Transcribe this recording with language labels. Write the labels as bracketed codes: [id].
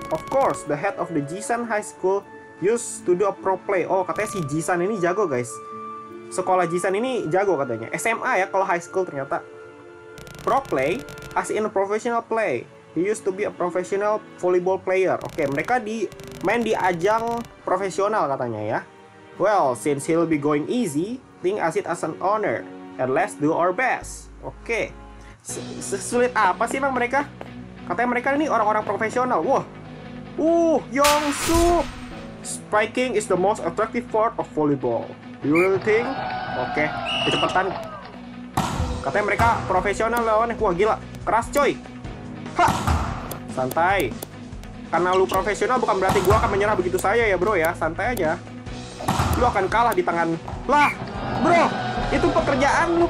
[en] Of course, the head of the Jisan High School used to do a pro play. [id] Oh, katanya si Jisan ini jago guys. Sekolah Jisan ini jago katanya. SMA ya kalau high school ternyata. [en] Pro play, as in a professional play. He used to be a professional volleyball player. [id] Oke, okay, mereka di main di ajang profesional katanya ya. [en] Well, since he'll be going easy, think as it as an honor. And let's do our best. Oke, okay. [id] Sesulit apa sih emang mereka? Katanya mereka ini orang-orang profesional. Wah, Yongsu. [en] Striking is the most attractive part of volleyball. You really think? Oke, okay. [id] Kecepatan. Katanya mereka profesional lawannya. Wah gila, keras coy. Ha! Santai. Karena lu profesional bukan berarti gua akan menyerah begitu saja ya bro ya. Santai aja. Lu akan kalah di tangan. Lah, bro, itu pekerjaan lu.